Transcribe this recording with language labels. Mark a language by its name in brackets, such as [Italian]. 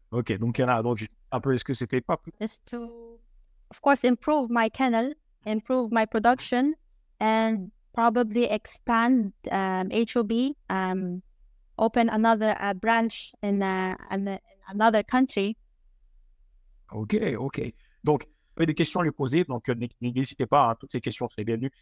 [French] Okay, donc il y en a, donc après, que c'était pas... [English] It's to, of course, improve my kennel, improve my production, and probably expand HOB, open another branch in another country. Okay. [French] Donc, vous avez des questions à lui poser, donc n'hésitez pas, hein, toutes ces questions seraient bienvenues.